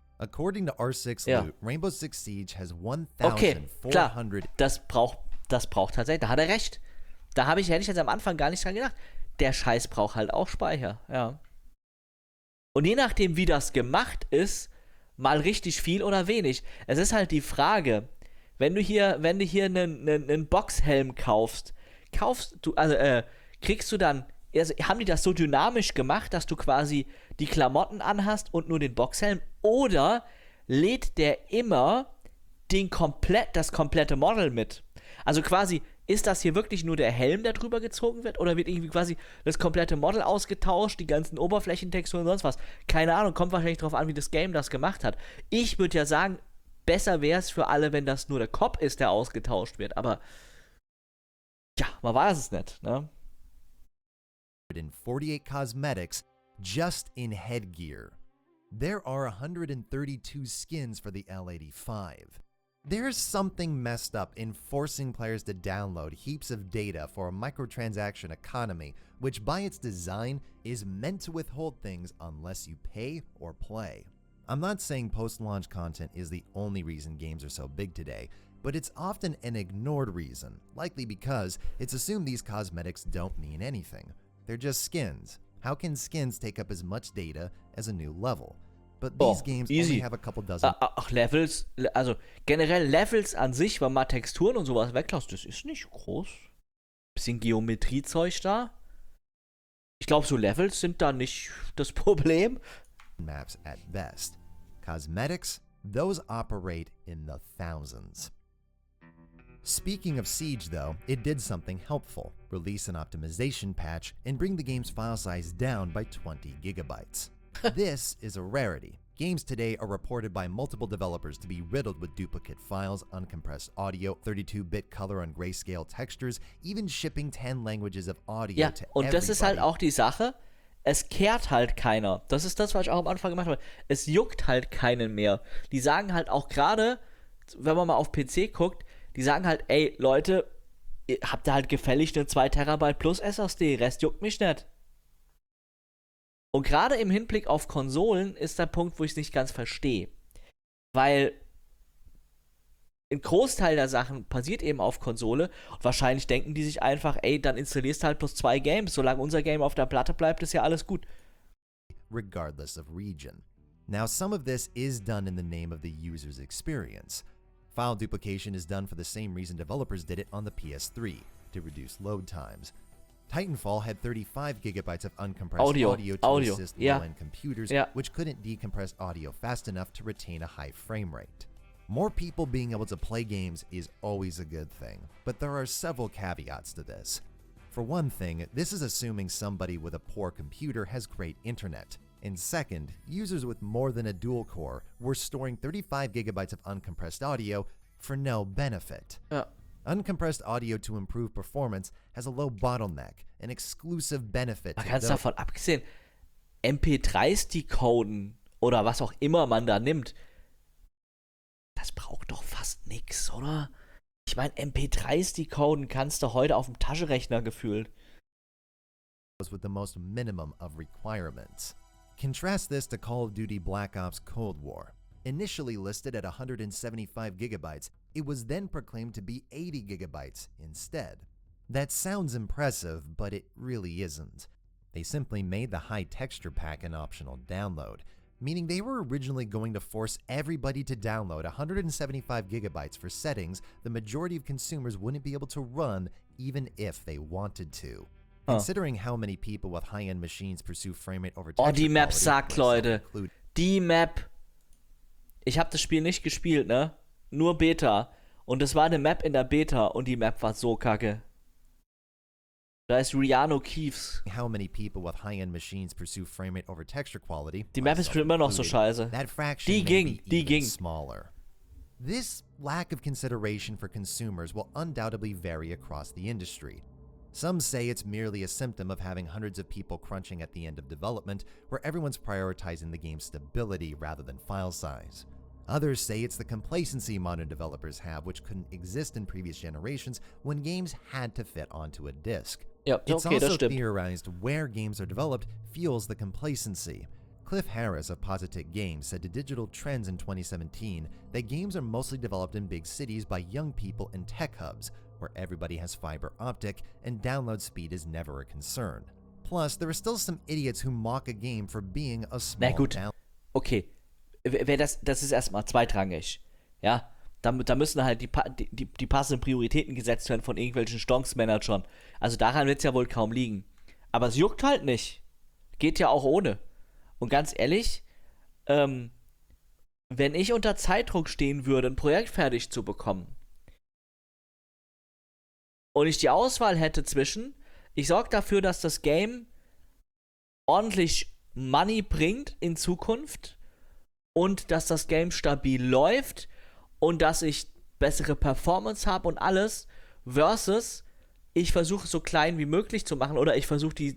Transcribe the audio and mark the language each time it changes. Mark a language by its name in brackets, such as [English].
[English] According to R6 Loot, Rainbow Six Siege has 1,400... [German] Okay, klar, das braucht tatsächlich, da hat er recht. Da habe ich jetzt am Anfang gar nicht dran gedacht. Der Scheiß braucht halt auch Speicher, ja. Und je nachdem, wie das gemacht ist, mal richtig viel oder wenig. Es ist halt die Frage, wenn du hier einen Boxhelm kriegst du dann... Also haben die das so dynamisch gemacht, dass du quasi die Klamotten anhast und nur den Boxhelm? Oder lädt der immer das komplette Model mit? Also quasi, ist das hier wirklich nur der Helm, der drüber gezogen wird? Oder wird irgendwie quasi das komplette Model ausgetauscht, die ganzen Oberflächentexturen und sonst was? Keine Ahnung, kommt wahrscheinlich drauf an, wie das Game das gemacht hat. Ich würde ja sagen, besser wäre es für alle, wenn das nur der Kopf ist, der ausgetauscht wird. Aber, ja, man weiß es nicht, ne? [English] In 48 cosmetics just in headgear. There are 132 skins for the L85. There's something messed up in forcing players to download heaps of data for a microtransaction economy, which by its design is meant to withhold things unless you pay or play. I'm not saying post-launch content is the only reason games are so big today, but it's often an ignored reason, likely because it's assumed these cosmetics don't mean anything. They're just skins. How can skins take up as much data as a new level? But these games easy. Only have a couple dozen. [German] Ach, Levels. Also generell Levels an sich, wenn man Texturen und sowas weglässt, das ist nicht groß. Bisschen Geometriezeug da. Ich glaube, so Levels sind da nicht das Problem. [English] Maps at best. Cosmetics, those operate in the thousands. Speaking of Siege, though, it did something helpful. Release an optimization patch and bring the game's file size down by 20 gigabytes. This is a rarity. Games today are reported by multiple developers to be riddled with duplicate files, uncompressed audio, 32-bit color on grayscale textures, even shipping 10 languages of audio to everybody. [German] Ja, und das ist halt auch die Sache. Es kehrt halt keiner. Das ist das, was ich auch am Anfang gemacht habe. Es juckt halt keinen mehr. Die sagen halt auch gerade, wenn man mal auf PC guckt, die sagen halt, ey, Leute, habt ihr halt gefällig eine 2 Terabyte plus SSD, Rest juckt mich nicht. Und gerade im Hinblick auf Konsolen ist der Punkt, wo ich es nicht ganz verstehe. Weil ein Großteil der Sachen passiert eben auf Konsole. Und wahrscheinlich denken die sich einfach, ey, dann installierst du halt plus 2 Games. Solange unser Game auf der Platte bleibt, ist ja alles gut. [English] Regardless of region. Now, some of this is done in the name of the user's experience. File duplication is done for the same reason developers did it on the PS3, to reduce load times. Titanfall had 35 gigabytes of uncompressed audio to assist low-end computers, which couldn't decompress audio fast enough to retain a high frame rate. More people being able to play games is always a good thing, but there are several caveats to this. For one thing, this is assuming somebody with a poor computer has great internet. And second, users with more than a dual core were storing 35 gigabytes of uncompressed audio for no benefit. Uncompressed audio to improve performance has a low bottleneck, an exclusive benefit. [German] Man kann es davon abgesehen, MP3s decoden oder was auch immer man da nimmt, das braucht doch fast nix, oder? Ich meine, MP3s decoden kannst du heute auf dem Taschenrechner gefühlt. [English] With the most minimum of requirements. Contrast this to Call of Duty Black Ops Cold War. Initially listed at 175 gigabytes, it was then proclaimed to be 80 gigabytes instead. That sounds impressive, but it really isn't. They simply made the high texture pack an optional download, meaning they were originally going to force everybody to download 175 gigabytes for settings the majority of consumers wouldn't be able to run even if they wanted to. Huh. Considering how many people with high-end machines pursue frame rate over texture quality. [German] Oh, die Map sagt, Leute. Die Map. Ich habe das Spiel nicht gespielt, ne? Nur Beta. Und es war eine Map in der Beta und die Map war so kacke. Da ist Rihanna Keefs. [English] How many people with high-end machines pursue frame rate over texture quality. [German] Die Map ist immer noch so scheiße. Die ging. [English] Smaller. This lack of consideration for consumers will undoubtedly vary across the industry. Some say it's merely a symptom of having hundreds of people crunching at the end of development, where everyone's prioritizing the game's stability rather than file size. Others say it's the complacency modern developers have, which couldn't exist in previous generations when games had to fit onto a disc. Yep. It's okay, also theorized where games are developed fuels the complacency. Cliff Harris of Positech Games said to Digital Trends in 2017 that games are mostly developed in big cities by young people in tech hubs, where everybody has fiber optic and download speed is never a concern. Plus, there are still some idiots who mock a game for being a small. [German] Na gut. Okay. Das ist erstmal zweitrangig. Ja, da müssen halt die passenden Prioritäten gesetzt werden von irgendwelchen Stonks-Managern. Also daran wird es ja wohl kaum liegen. Aber es juckt halt nicht. Geht ja auch ohne. Und ganz ehrlich, wenn ich unter Zeitdruck stehen würde, ein Projekt fertig zu bekommen, und ich die Auswahl hätte zwischen, ich sorge dafür, dass das Game ordentlich Money bringt in Zukunft und dass das Game stabil läuft und dass ich bessere Performance habe und alles, versus ich versuche so klein wie möglich zu machen oder ich versuche